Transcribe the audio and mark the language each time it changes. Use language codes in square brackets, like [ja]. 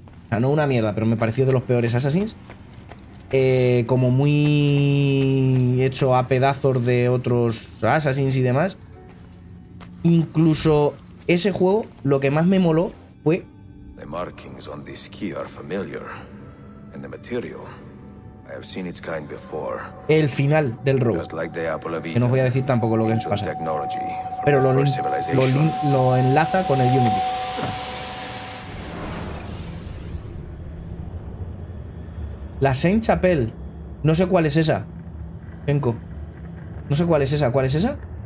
[es] O sea, no una mierda, pero me pareció de los peores Assassins. Como muy hecho a pedazos de otros Assassins y demás. Incluso... Ese juego, lo que más me moló fue... [en] The markings on this key are familiar. And the material, I have seen its kind before. [es] El final del Rogue. [en] Just like the Apple of Eden, [es] que no voy a decir tampoco lo que nos pasa. Pero lo enlaza con el Unity. La Saint Chapel. No sé cuál es esa. Enko. No sé cuál es esa. ¿Cuál es esa?